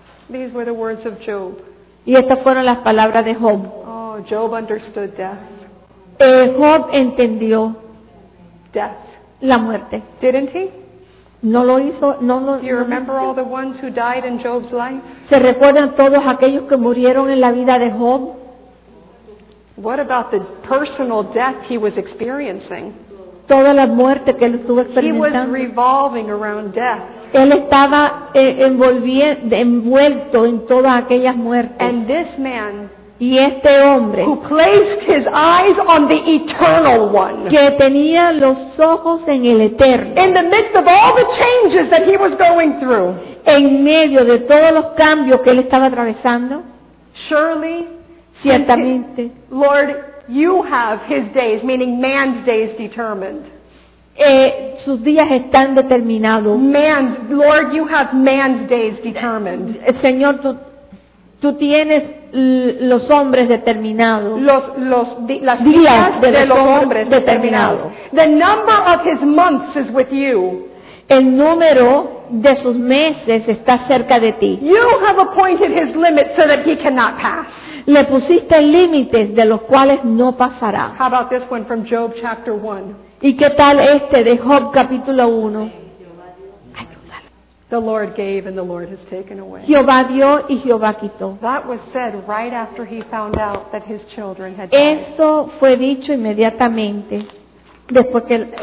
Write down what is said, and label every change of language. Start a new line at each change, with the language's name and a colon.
English: These were the words of Job.
Spanish: Y estas fueron las palabras de Job.
English: Oh, Job understood death.
Spanish: Job entendió
English: death.
Spanish: La muerte.
English: Didn't he?
Spanish: No lo hizo. No lo.
English: Do you remember all the ones who died in Job's life?
Spanish: ¿Se recuerdan todos aquellos que murieron en la vida de Job?
English: What about the personal death he was experiencing?
Spanish: Toda la muerte que él estuvo experimentando.
English: He was revolving around death.
Spanish: Él estaba envuelto en todas aquellas muertes.
English: And this man,
Spanish: y este hombre,
English: who placed his eyes on the eternal one,
Spanish: que tenía los ojos en el eterno,
English: in the midst of all the changes that he was going through,
Spanish: en medio de todos los cambios que él estaba atravesando,
English: surely,
Spanish: ciertamente,
English: Lord, you have his days, meaning man's days, determined.
Spanish: Sus días están determinados.
English: Lord, you have man's days determined.
Spanish: Señor, tú tienes los hombres determinados. Las días de los hombres determinados.
English: The number of his months is with you.
Spanish: El número de sus meses está cerca de ti.
English: You have appointed his limits so that he cannot pass.
Spanish: Le pusiste límites de los cuales no pasará.
English: How about this one from Job chapter 1?
Spanish: ¿Y qué tal este de Job capítulo 1?
English: The Lord gave and the Lord has taken away.
Spanish: Jehová dio y Jehová quitó.
English: That was said right after he found out that his children had died.
Spanish: Eso fue dicho inmediatamente después que